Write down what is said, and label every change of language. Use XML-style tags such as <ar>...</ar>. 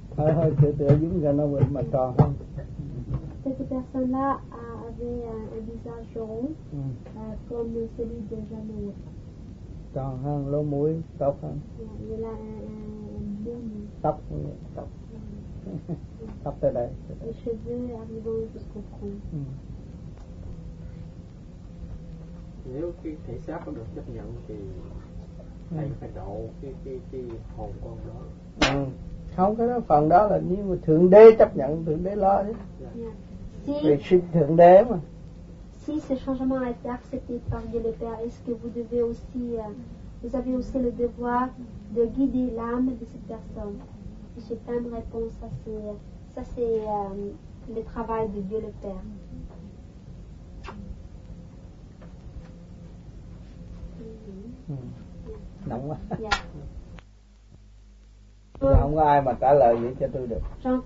<vi>Hơi hơi từ từ giống Janowin mà tròn hơn.</vi> <fr>Cette personne-là avait un visage rond, comme celui de Janowin.</fr> <vi>Tròn hơn, lỗ mũi, tóc hơn.</vi> <fr>Il a un bon nez.</fr> <vi>Tóc, tóc. Tóc tới đây.</vi> <fr>Les cheveux arrivant jusqu'au cou.</fr> <vi>Nếu khi thể xác không được chấp nhận thì thầy phải độ cái hồn con đó. Ừ. Không, cái đó phần đó là nếu mà Thượng Đế chấp nhận, Thượng Đế lo chứ. Vì sinh Thượng Đế mà.</vi> <fr>Si ce changement a été accepté par Dieu le Père, est-ce que vous devez aussi, vous avez aussi le devoir de guider l'âme de cette personne? Et j'ai pas une réponse à ça, c'est le travail de Dieu le Père.</fr>